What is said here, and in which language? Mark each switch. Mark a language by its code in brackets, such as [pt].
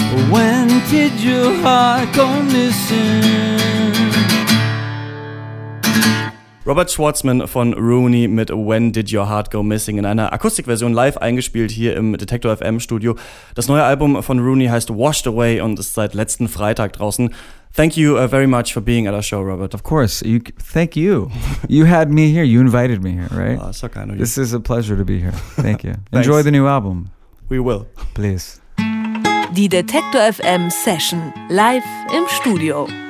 [en] When did your heart go missing? [de] Robert Schwartzman von Rooney mit When Did Your Heart Go Missing in einer Akustikversion live eingespielt hier im Detektor FM Studio. Das neue Album von Rooney heißt Washed Away und ist seit letzten Freitag draußen. [en] Thank you very much for being at our show, Robert. Of course. Thank you. You had me here. You invited me here, right? Oh, so kind of you. This is a pleasure to be here. Thank you. Enjoy the new album. We will. Please. [de] Die Detektor FM Session live im Studio.